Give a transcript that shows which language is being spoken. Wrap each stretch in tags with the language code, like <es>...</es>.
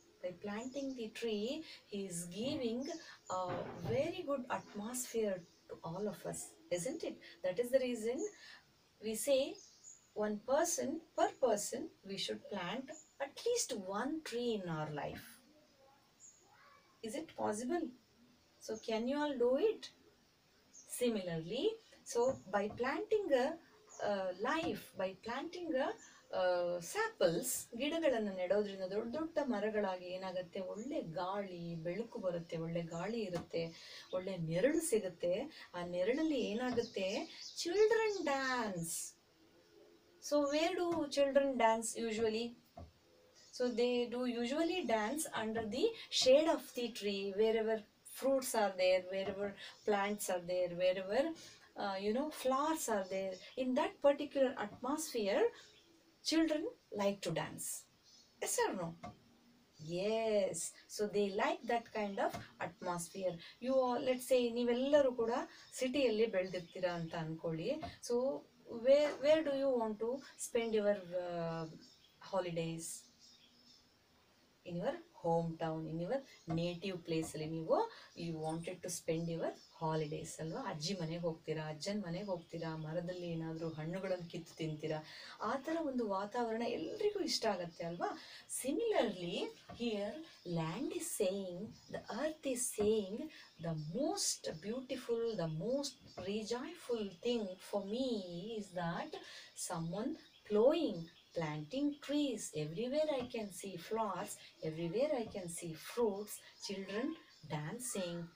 <en>By planting the tree, he is giving a very good atmosphere to all of us, isn't it? That is the reason we say one person, per person, we should plant at least one tree in our life. Is it possible? So can you all do it? Similarly, so by planting a life, by planting a saples,</en> <kn>ಗಿಡಗಳನ್ನು ನೆಡೋದ್ರಿಂದ ದೊಡ್ಡ ದೊಡ್ಡ ಮರಗಳಾಗಿ ಏನಾಗುತ್ತೆ, ಒಳ್ಳೆ ಗಾಳಿ ಬೆಳಕು ಬರುತ್ತೆ, ಒಳ್ಳೆ ಗಾಳಿ ಇರುತ್ತೆ, ಒಳ್ಳೆ ನೆರಳು ಸಿಗುತ್ತೆ. ಆ ನೆರಳಲ್ಲಿ ಏನಾಗುತ್ತೆ,</kn> <en>Children dance. So where do children dance usually? So they do usually dance under the shade of the tree, wherever fruits are there, wherever plants are there, wherever you know, flowers are there. In that particular atmosphere, children like to dance. Yes or no? Yes. So they like that kind of atmosphere. You all, let's say,</en> <kn>ನೀವೆಲ್ಲರೂ ಕೂಡ ಸಿಟಿಯಲ್ಲಿ ಬೆಳೆದಿರ್ತೀರಾ ಅಂತ ಅಂದ್ಕೊಳ್ಳಿ.</kn> <en>So where do you want to spend your holidays? In your home town, in your native ಪ್ಲೇಸಲ್ಲಿ</en> <kn>ನೀವು</kn> <en>you wanted to spend your holidays</en> <kn>ಅಲ್ವಾ. ಅಜ್ಜಿ ಮನೆಗೆ ಹೋಗ್ತೀರಾ, ಅಜ್ಜನ ಮನೆಗೆ ಹೋಗ್ತೀರಾ, ಮರದಲ್ಲಿ ಏನಾದರೂ ಹಣ್ಣುಗಳನ್ನು ಕಿತ್ತು ತಿಂತೀರಾ. ಆ ಥರ ಒಂದು ವಾತಾವರಣ ಎಲ್ರಿಗೂ ಇಷ್ಟ ಆಗುತ್ತೆ ಅಲ್ವಾ.</kn> <en>Similarly Here, land is saying, the earth is saying, the most beautiful, the most rejoiceful thing for me is that someone plowing, planting trees. Everywhere I can see flowers, everywhere I can see fruits, children dancing.</en>